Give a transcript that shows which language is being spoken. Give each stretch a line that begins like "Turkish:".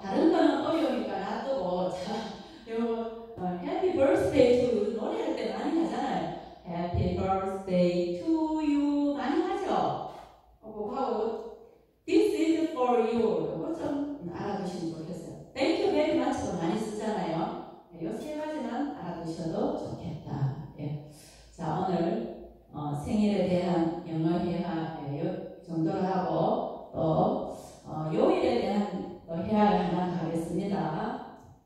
Korean: 다른 거는 어려우니까 놔두고 자, 요,
English: Happy birthday to you.
Korean: 노래할 때 많이 하잖아요.
English: Happy birthday to you.
Korean: 많이 하죠? 하고 하고
English: This is for you.
Korean: 요거 좀 알아두시면 좋겠어요.
English: Thank you very much
Korean: 도 많이 쓰잖아요. 예, 요 세 가지만 알아두셔도 좋겠다. 예. 자, 오늘 생일에 대한 영어회화 요 정도를 하고 또 요일에 대한 회화를 하나 가겠습니다.